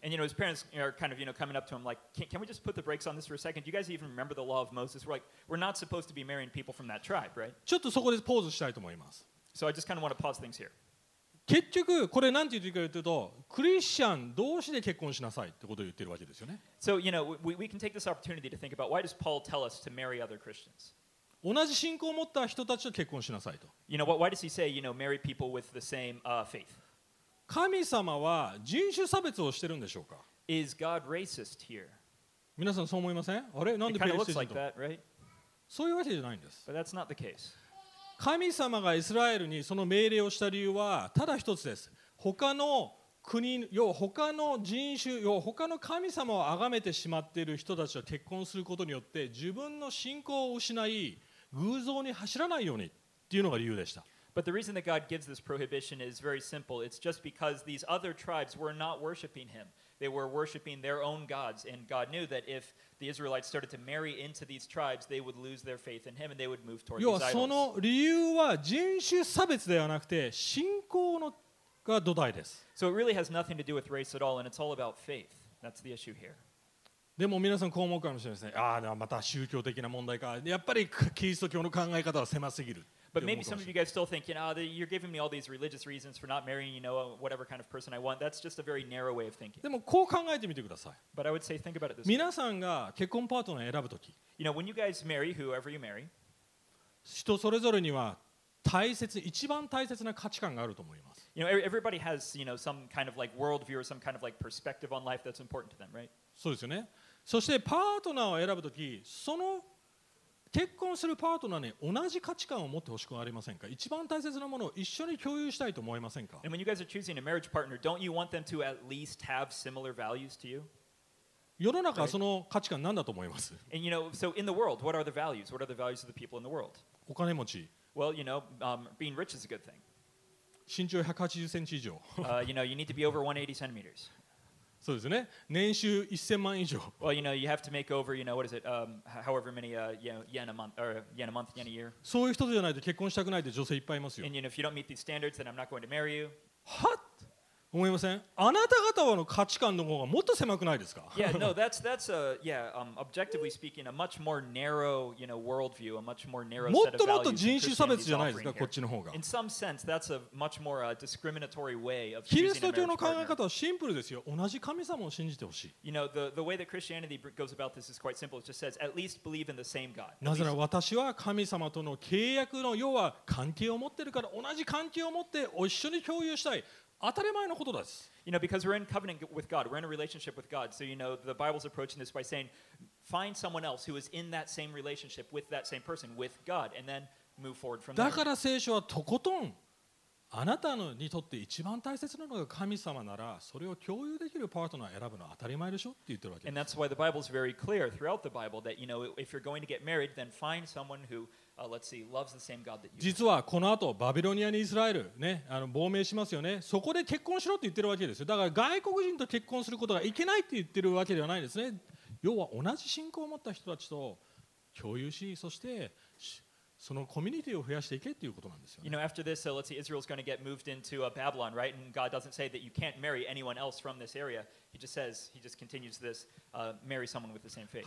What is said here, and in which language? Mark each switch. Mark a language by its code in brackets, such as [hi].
[en] And, you know, his parents are kind of, you know, coming up to him like, can we just put the brakes on this for a second? You guys even remember the law of Moses? We're like, we're not supposed to be marrying people from that tribe, right? [ja] ちょっとそこでポーズしたいと思います。 [en] So I just kind of want to pause things here. [ja] 結局これなんて言ってるかというとクリスチャン同士で結婚しなさいってことを言ってるわけですよね。 [en] So, you know, we can take this opportunity to think about why does Paul tell us to marry other Christians? [ja] 同じ信仰を持った人たちと結婚しなさいと。 [en] You know, why does he say, you know, marry people with the same, faith? [ja] 神様は人種差別をしてるんでしょうか? [en] Is God racist here? [ja] 皆さんそう思いません?あれ?なんでペリシテ人と? [en] It kind of looks like that, right? [ja] そういうわけじゃないんです。 [en] But that's not the case. [ja] 神様がイスラエルにその命令をした理由はただ一つです。他の国、要は他の人種、要は他の神様を崇めてしまっている人たちと結婚することによって自分の信仰を失い、偶像に走らないようにっていうのが理由でした。 [en] But the reason that God gives this prohibition is very simple. It's just because these other tribes were not worshiping him. They were worshiping their own gods. And God knew that if the Israelites started to marry into these tribes, they would lose their faith in him and they would move towards these idols. [ja] その理由は人種差別ではなくて信仰のが土台です。 [en] So it really has nothing to do with race at all, and it's all about faith. That's the issue here. [ja] でも皆さんこう思うかもしれませんああまた宗教的な問題かやっぱりキリスト教の考え方は狭すぎる [en] But maybe some of you guys still think you know, you're giving me all these religious reasons for not marrying you know, whatever kind of person I want That's just a very narrow way of thinking [ja] でもこう考えてみてください [en] But I would say think about it this [ja] 皆さんが結婚パートナーを選ぶとき [en] You know, when you guys marry whoever you marry [ja] 人それぞれには大切一番大切な価値観があると思います [en] You know, everybody has you know, some kind of like worldview or some kind of like perspective on life that's important to them, right? [ja] そうですよねそしてパートナーを選ぶとき、その結婚するパートナーに同じ価値観を持ってほしくありませんか一番大切なものを一緒に共有したいと思いませんか [en] And when you guys are choosing a marriage partner, don't you want them to at least have similar values to you? [ja] 世の中はその価値観何だと思います [en] And you know, so in the world, what are the values? What are the values of the people in the world? [ja] お金持ち、 [en] Well, you know, being rich is a good thing. [ja] 身長180センチ以上。 [en] You know, you need to be over 180 centimeters. [ja] そうですね。年収1000万以上。 [en] Well, you know, you have to make over, you know, what is it, however many yen a month, or yen a month, yen a year. [ja] そういう人じゃないと結婚したくないって女性いっぱいいますよ。 [en] And you know, if you don't meet these standards, then I'm not going to marry you. [ja] はっ?思いません。あなた方の価値観の方がもっと狭くないですか? [en] Yeah, no, that's a yeah, objectively speaking, a much more narrow, you know, worldview, a much more narrow set of values. [ja] もっともっと人種差別じゃないですか、こっちの方が。 [en] In some sense, that's a much more discriminatory way of choosing a marriage partner. [ja] キリスト教の考え方はシンプルですよ。同じ神様を信じてほしい。 [en] You know, the way that Christianity goes about this is quite simple. It just says, at least believe in the same God. [ja] なぜなら私は神様との契約の要は関係を持ってるから、同じ関係を持ってお一緒に共有したい。当たり前のことです。 [en] You know, because we're in covenant with God, we're in a relationship with God. So, you know, the Bible's approaching this by saying, find someone else who is in that same relationship with that same person, with God, and then move forward from there. [ja] だから聖書はとことん、あなたのにとって一番大切なのが神様なら、それを共有できるパートナーを選ぶのは当たり前でしょって言ってるわけ。 [en] And that's why the Bible's very clear throughout the Bible that, you know, if you're going to get married, then find someone who... loves the same God that you do. [ja] 実はこの後バビロニアにイスラエル、ね、亡命しますよね。そこで結婚しろって言ってるわけですよ。だから外国人と結婚することがいけないって言ってるわけではないですね。要は同じ信仰を持った人たちと共有し、そしてそのコミュニティを増やしていけっていうことなんですよね。 [en] You know, after this, so let's see, Israel's going to get moved into Babylon, right? And God doesn't say that you can't marry anyone else from this area. He just says, he just continues this, marry someone with the same faith.